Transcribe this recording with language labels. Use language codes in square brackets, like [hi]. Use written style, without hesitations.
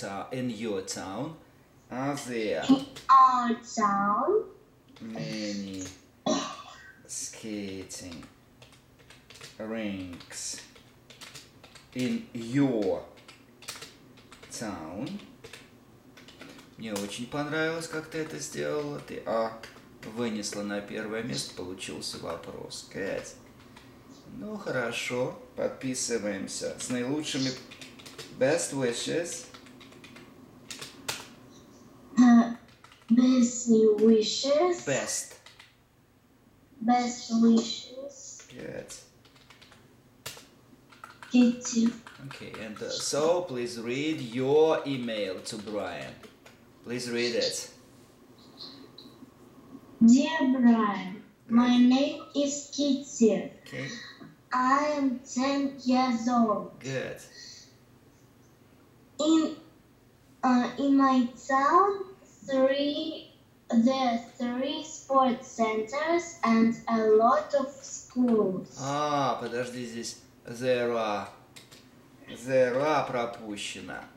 [en] In your town, are there In our town? many skating rinks in your town? [ru] Мне очень понравилось, как ты это сделала. Ты вынесла на первое место, получился вопрос. Кэт. Ну хорошо, подписываемся. С наилучшими [en] best wishes. Best wishes. Best. Best wishes. Good. Get you. Okay, and so please read your email to Brian. Please read it. Dear Brian, my Good. name is Kitty. Okay. I am 10 years old. Good. In my town, there are three sports centers and a lot of schools. [ru] А, подожди, здесь [en] there are [ru] пропущено.